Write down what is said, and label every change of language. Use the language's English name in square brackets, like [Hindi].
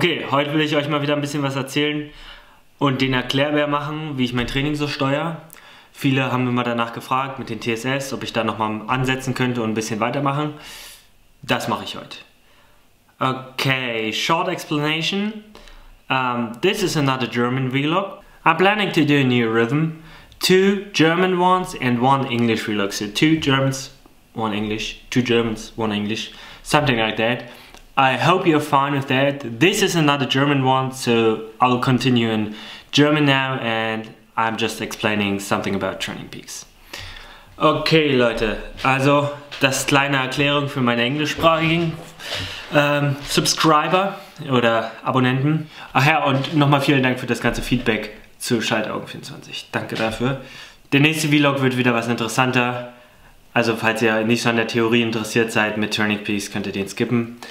[German] Heute will ich euch mal wieder ein bisschen was erzählen und den Erklärbär machen, wie ich mein Training so steuere. Viele haben mir mal danach gefragt mit den TSS, ob ich da nochmal ansetzen könnte und ein bisschen weitermachen. Das mache ich heute. [English] Okay, short explanation. This is another German Vlog. I'm planning to do a new rhythm. Two German ones and one English Vlog. So two Germans, one English. Two Germans, one English. Something like that. I hope you're fine with that. This is another German one, so I'll continue in German now and I'm just explaining something about Training Peaks. [German] Okay, Leute, also das kleine Erklärung für meine englischsprachigen Subscriber oder Abonnenten. Ach ja, und nochmal vielen Dank für das ganze Feedback zu Schaltaugen24. Danke dafür. Der nächste Vlog wird wieder was interessanter. Also falls ihr nicht so an der Theorie interessiert seid mit Turning Peaks, könnt ihr den skippen.